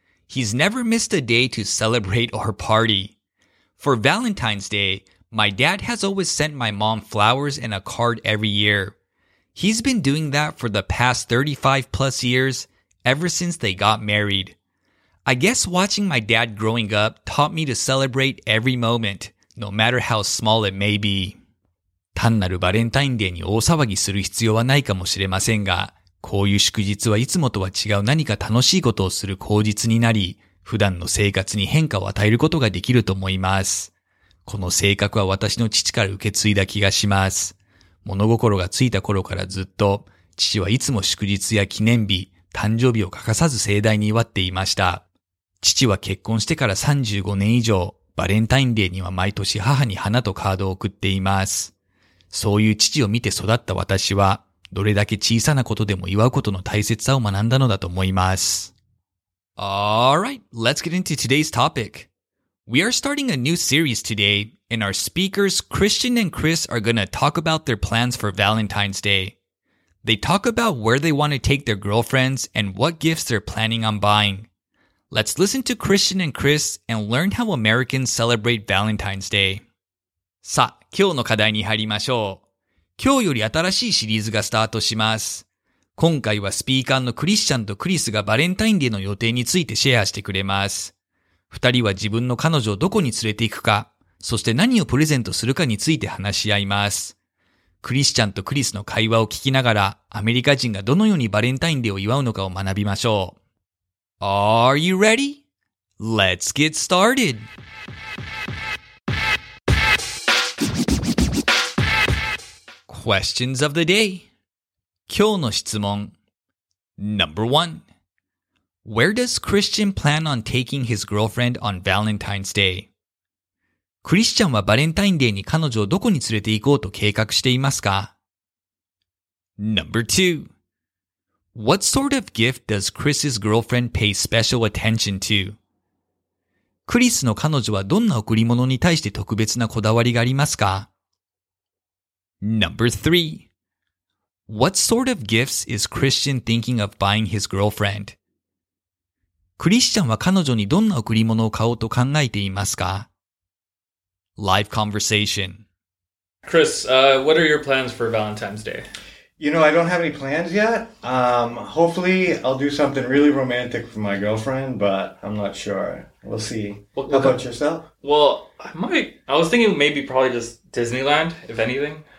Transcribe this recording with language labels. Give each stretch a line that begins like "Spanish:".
English: He's never missed a day to celebrate or party. For Valentine's Day, my dad has always sent my mom flowers and a card every year. He's been doing that for the past 35 plus years, ever since they got married. I guess watching my dad growing up taught me to celebrate every moment, no matter how small it may be.
Japanese: 単なるバレンタインデーに大騒ぎする必要はないかもしれませんが、こういう祝日はいつもとは違う何か楽しいことをする口実になり、普段の生活に変化を与えることができると思います。この性格は私の父から受け継いだ気がします。物心がついた頃からずっと、父はいつも祝日や記念日、誕生日を欠かさず盛大に祝っていました。父は結婚してから35年以上、バレンタインデーには毎年母に花とカードを送っています。そういう父を見て育った私は、どれだけ小さなことでも祝うことの大切さを学んだのだと思います。
English: Alright, let's get into today's topic. We are starting a new series today, and our speakers Christian and Chris are gonna talk about their plans for Valentine's Day. They talk about where they want to take their girlfriends and what gifts they're planning on buying. Let's listen to Christian and Chris and learn how Americans celebrate Valentine's Day.
Japanese: さあ、今日の課題に入りましょう。今日より新しいシリーズがスタートします。今回はスピーカーのクリスチャンとクリスがバレンタインデーの予定についてシェアしてくれます。二人は自分の彼女をどこに連れて行くか、そして何をプレゼントするかについて話し合います。クリスチャンとクリスの会話を聞きながら、アメリカ人がどのようにバレンタインデーを祝うのかを学びましょう。
English: Are you ready? Let's get started! Questions of the day.
Japanese: 今日の質問。
English: Number one. Where does Christian plan on taking his girlfriend on Valentine's Day?
Japanese: クリスチャンはバレンタインデーに彼女をどこに連れて行こうと計画していますか?
English: Number two. What sort of gift does Chris's girlfriend pay special attention to?
Japanese: クリスの彼女はどんな贈り物に対して特別なこだわりがありますか?
English: Number three. What sort of gifts is Christian thinking of buying his girlfriend?
Japanese: クリスチャンは彼女にどんな贈り物を買おうと考えていますか?
English: Live conversation. Chris, what are your plans for Valentine's Day? You know, I don't have any plans yet. Hopefully I'll do something really romantic for my girlfriend, but I'm not sure. We'll see. How about yourself? Well, I was thinking maybe probably just Disneyland, if anything.